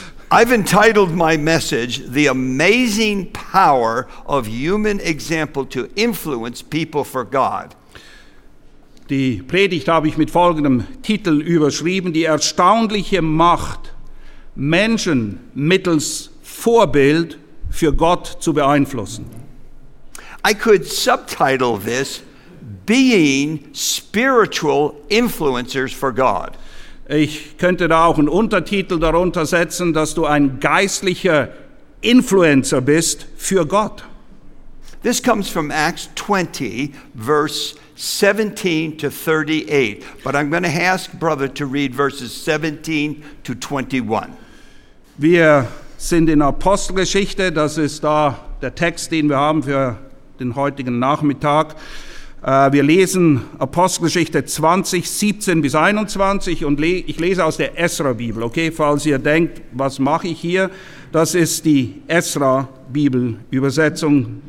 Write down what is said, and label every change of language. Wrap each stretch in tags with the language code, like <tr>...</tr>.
<en>I've entitled my message, The Amazing Power of Human Example to Influence People for God.</en> <de>Die Predigt habe ich mit folgendem Titel überschrieben, Die erstaunliche Macht, Menschen mittels Vorbild für Gott zu beeinflussen.</de> <en>I could subtitle this, Being Spiritual Influencers for God.</en> <de>Ich könnte da auch einen Untertitel darunter setzen, dass du ein geistlicher Influencer bist für Gott.</de> <en>This comes from Acts 20, verse 17 to 38. But I'm going to ask brother to read verses 17 to 21.</en> <de>Wir sind in Apostelgeschichte. Das ist da der Text, den wir haben für den heutigen Nachmittag. Wir lesen Apostelgeschichte 20, 17 bis 21 und ich lese aus der Esra-Bibel, okay? Falls ihr denkt, was mache ich hier? Das ist die Esra-Bibel-Übersetzung.</de>